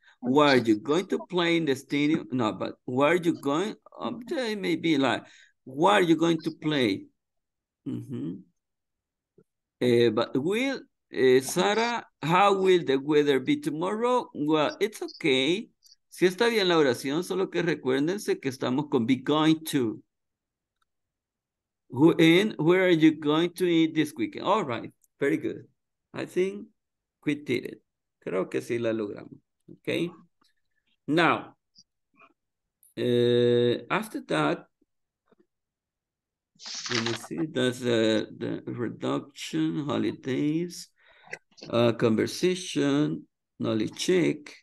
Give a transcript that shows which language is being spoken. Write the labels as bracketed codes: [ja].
[en] What are you going to play in the stadium? No, but where are you going? Okay, maybe like, what are you going to play? But will Sarah, how will the weather be tomorrow? Well, it's okay. [es] Si está bien la oración, solo que recuérdense que estamos con be going to. [en] Where are you going to eat this weekend? All right, very good. I think we did it. [es] Creo que sí la logramos. Okay. [en] Now, after that, let me see, that's the reduction, holidays, conversation, knowledge check.